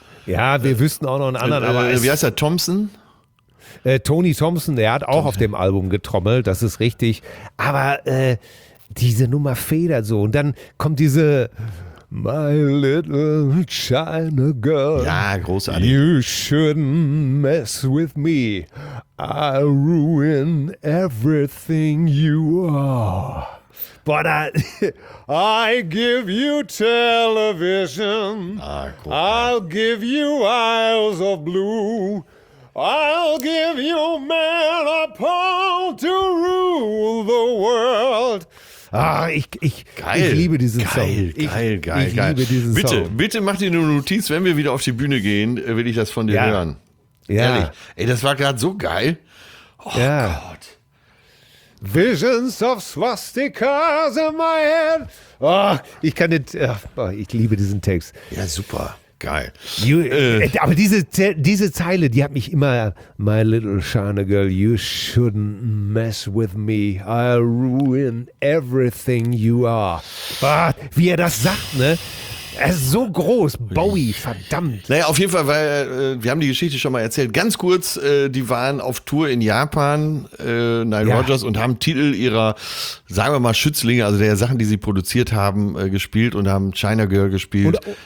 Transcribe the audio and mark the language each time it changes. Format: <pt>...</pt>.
<de>Ja, wir wüssten auch noch einen anderen. Aber wie heißt er? Thompson? Tony Thompson, der hat auch auf dem Album getrommelt, das ist richtig. Aber diese Nummer federt so. Und dann kommt diese My little China girl. Ja, großartig.</de> <en>You shouldn't mess with me. I ruin everything you are. But I give you television.</en> <de>Ah, cool.</de> <en>I'll give you Isles of Blue. I'll give you Manapal to rule the world.</en> <de>Ah, ich liebe diesen Song. Liebe diesen bitte, Song. Bitte mach dir eine Notiz, wenn wir wieder auf die Bühne gehen, will ich das von dir hören. Ja. Ehrlich. Ey, das war gerade so geil. Oh Gott.</de> <en>Visions of swastikas in my head.</en> <de>Oh, ich kann den, ich liebe diesen Text. Ja, super. Geil. Aber diese Zeile, die hat mich immer,</de> <en>my little China girl, you shouldn't mess with me. I'll ruin everything you are.</en> <de>Ah, wie er das sagt, ne? Er ist so groß, Bowie, verdammt. Naja, auf jeden Fall, weil wir haben die Geschichte schon mal erzählt. Ganz kurz, die waren auf Tour in Japan, Nile Rodgers, und haben Titel ihrer, sagen wir mal, Schützlinge, also der Sachen, die sie produziert haben, gespielt und haben China Girl gespielt.</de>